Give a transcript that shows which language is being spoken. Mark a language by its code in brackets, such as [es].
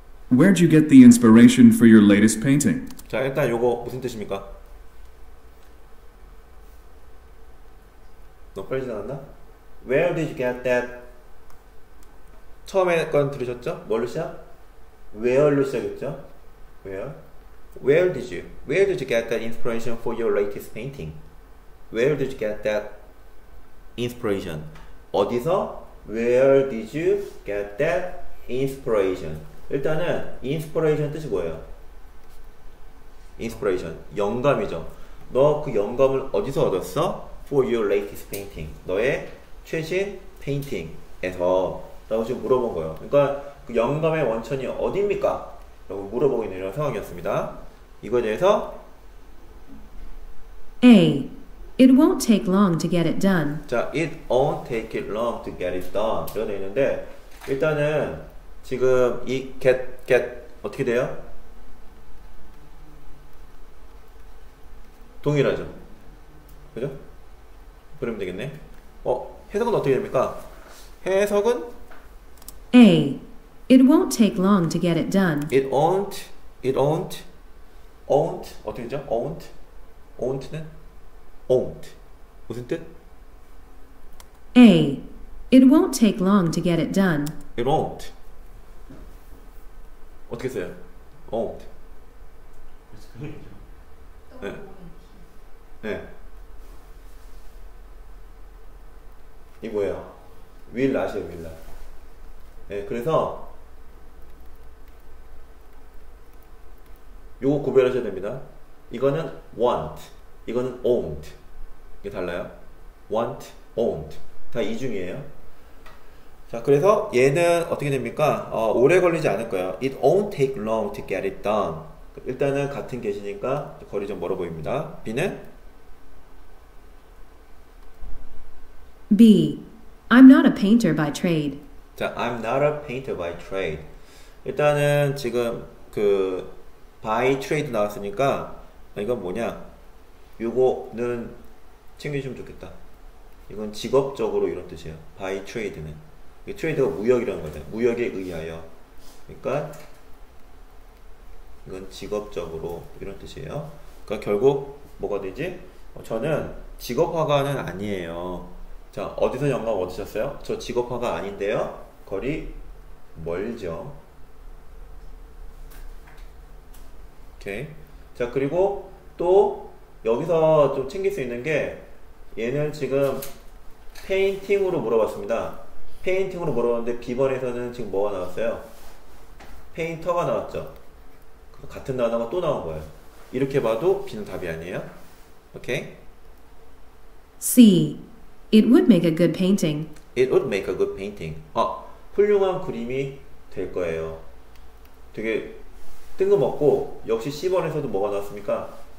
[en] Where'd you get the inspiration for your latest painting? [ko] 자, 일단 요거 무슨 뜻입니까? 너 빨리 나왔나? [en] Where did you get that? [ko] 처음에 건 들으셨죠? 뭘로 시작? Where로 시작했죠? [en] Where did you get that inspiration for your latest painting? Where did you get that inspiration? [ko] 어디서? [en] Where did you get that inspiration? [ko] 일단은 inspiration 뜻이 뭐예요? Inspiration, 영감이죠. 너 그 영감을 어디서 얻었어? [en] For your latest painting, [ko] 너의 최신 painting에서 라고 지금 물어본 거예요. 그러니까 그 영감의 원천이 어디입니까? 라고 물어보고 있는 이런 상황이었습니다. 이거에 대해서 [en] A. It won't take long to get it done. 자, it won't take it long to get it done. [ko] 이렇게 되어있는데 일단은 지금 이 get 어떻게 돼요? 동일하죠? 그죠? 그러면 되겠네. 어, 해석은 어떻게 됩니까? 해석은 [en] A. It won't take long to get it done. It won't [ko] 어떻게 되죠? Won't는? Won't 무슨 뜻? [en] A. It won't take long to get it done. [ko] It won't 어떻게 써요? Won't 네. 네. 이 뭐예요? Will 아시죠? Will 네, 그래서 요거 구별하셔야 됩니다. 이거는 want, 이거는 won't. 이게 달라요. want, won't 다 이중이에요. 자, 그래서 얘는 어떻게 됩니까? 오래 걸리지 않을 거예요. [en] It won't take long to get it done. [ko] 일단은 같은 계시니까 거리 좀 멀어 보입니다. B는 [en] B. I'm not a painter by trade. 자, I'm not a painter by trade. [ko] 일단은 지금 그 by trade 나왔으니까 이건 뭐냐? 요거는 챙겨주시면 좋겠다. 이건 직업적으로 이런 뜻이에요. by trade는 트레이드가 무역이라는 거죠. 무역에 의하여. 그러니까 이건 직업적으로 이런 뜻이에요. 그러니까 결국 뭐가 되지? 저는 직업화가는 아니에요. 자, 어디서 영감 얻으셨어요? 저 직업화가 아닌데요. 거리 멀죠. 오케이. 자, 그리고 또 여기서 좀 챙길 수 있는 게 얘는 지금 페인팅으로 물어봤습니다. 페인팅으로 물어봤는데 B번에서는 지금 뭐가 나왔어요? 페인터가 나왔죠. 같은 단어가 또 나온 거예요. 이렇게 봐도 B는 답이 아니에요. 오케이. [en] C. It would make a good painting. It would make a good painting. [ko] 아, 훌륭한 그림이 될 거예요. 되게 뜬금없고 역시 C번에서도 뭐가 나왔습니까?